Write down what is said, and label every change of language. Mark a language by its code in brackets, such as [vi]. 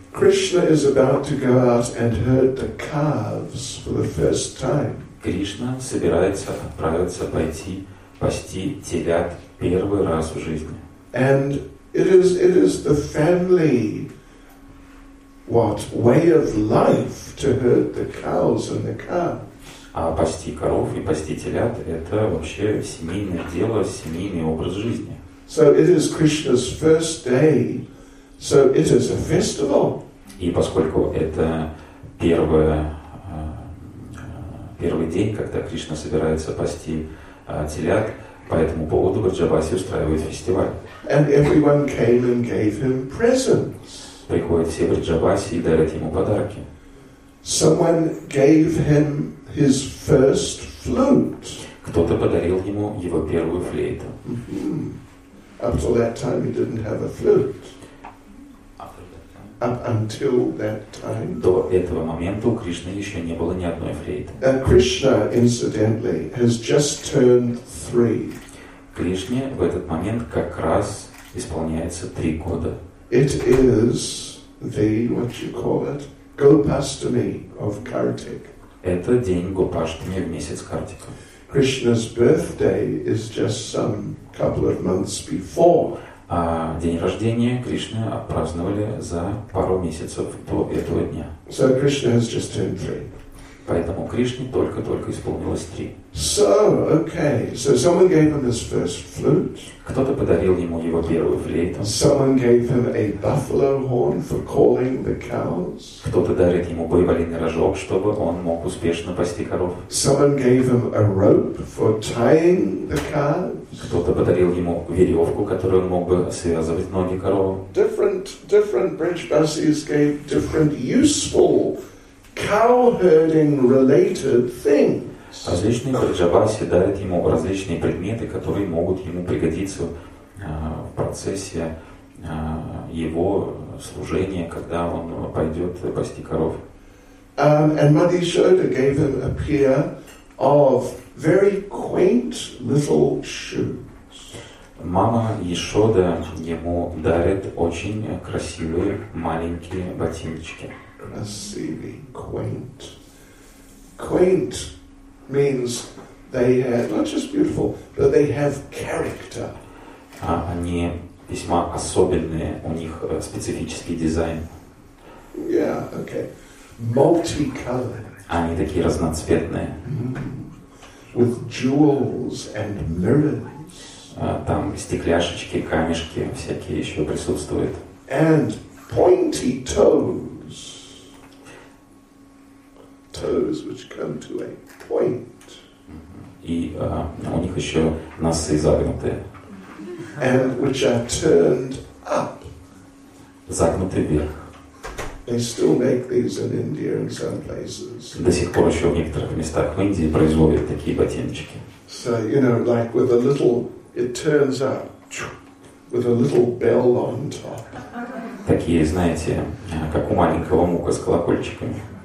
[en] Krishna is about to go out and herd the calves for the first time. [ru] Кришна собирается отправиться пойти пасти телят первый раз в жизни. [en] And it is the family way of life to herd the cows and the calves. [ru] А пасти коров и пасти телят – это вообще семейное дело, семейный образ жизни. [en] So it is Krishna's first day, so it is a festival. [ru] И поскольку это первый день, когда Кришна собирается пасти телят, по этому поводу Бриджаваси устраивает фестиваль. [en] And everyone came and gave him presents. [ru] Приходят все Бриджаваси и дарят ему подарки. [en] Someone gave him his first flute. [ru] Кто-то подарил ему его первую флейту. [en] Up until that time he didn't have a flute. Up until that time. [ru] До этого момента у Кришны еще не было ни одной флейты. [en] And Krishna, incidentally, has just turned 3. [ru] Кришне в этот момент как раз исполняется 3 года. [en] It is the what you call it. Gopashtami of Kartik. [ru] Это день Гопаштами в месяц Картика. [en] Krishna's birthday is just some couple of months before. [ru] А день рождения Кришны отпраздновали за пару месяцев до этого дня. [en] So Krishna has just turned 3. [ru] Поэтому Кришне только-только исполнилось 3. [en] So, okay. So someone gave him his first flute. [ru] Кто-то подарил ему его первую флейту. [en] Someone gave him a buffalo horn for calling the cows. [ru] Кто-то дарит ему буйволиный рожок, чтобы он мог успешно пасти коров. [en] Someone gave him a rope for tying the calves. [ru] Кто-то подарил ему веревку, которую он мог бы связывать ноги коров. [en] Different Brijbasis gave different useful cow-herding-related things. [ru] Различные Бриджаваси дарят ему различные предметы, которые могут ему пригодиться в процессе его служения, когда он пойдет пасти коров. [en] And Mother Yashoda gave him a pair of very quaint little shoes. [ru] Мама Яшода ему дарит очень красивые маленькие ботиночки. Красивые, quaint. [en] Quaint means they have not just beautiful, but they have character. [ru] Они весьма особенные, у них специфический дизайн. [en] Yeah, okay. Multicolored. [ru] Они такие разноцветные. [en] With jewels and mirrors. [ru] Там стекляшечки, камешки всякие еще присутствуют. [en] And pointy toes. Toes which come to a point. [ru] И у них еще носы загнутые. [en] And which are turned up. [ru] Загнуты вверх. [en] They still make these in India in some places. [ru] До сих пор еще в некоторых местах в Индии производят такие ботиночки. [en] So, you know, like with a little it turns up with a little bell on top. [ru] Такие, знаете, как у маленького мука с колокольчиками.